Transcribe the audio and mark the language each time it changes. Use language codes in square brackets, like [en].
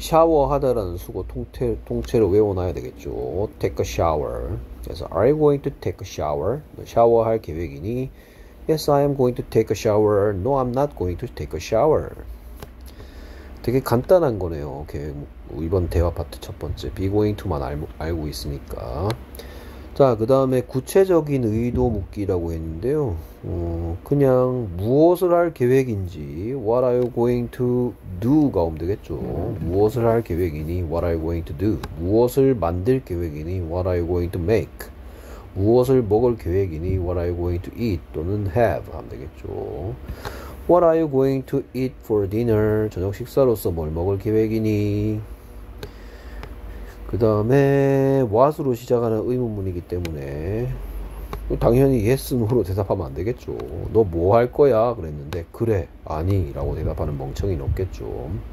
[ko] 샤워하다라는 수거 통째로 외워놔야 되겠죠. [en] Take a shower. [ko] 그래서 [en] Are you going to take a shower? [ko] 샤워할 계획이니? [en] Yes, I am going to take a shower. No, I'm not going to take a shower. [ko] 되게 간단한 거네요. 계획, 이번 대화 파트 첫 번째. [en] Be going to만 [ko] 알고 있으니까. 자, 그 다음에 구체적인 의도 묻기라고 했는데요. 그냥 무엇을 할 계획인지, [en] What are you going to do [ko] 가 오면 되겠죠. 무엇을 할 계획이니, [en] What are you going to do? [ko] 무엇을 만들 계획이니, [en] What are you going to make? [ko] 무엇을 먹을 계획이니, [en] What are you going to eat? [ko] 또는 have 하면 되겠죠. [en] What are you going to eat for dinner? [ko] 저녁 식사로서 뭘 먹을 계획이니? 그 다음에 what으로 시작하는 의문문이기 때문에 당연히 yes로 대답하면 안 되겠죠. 너뭐할 거야? 그랬는데 그래 아니라고 대답하는 멍청이는 없겠죠.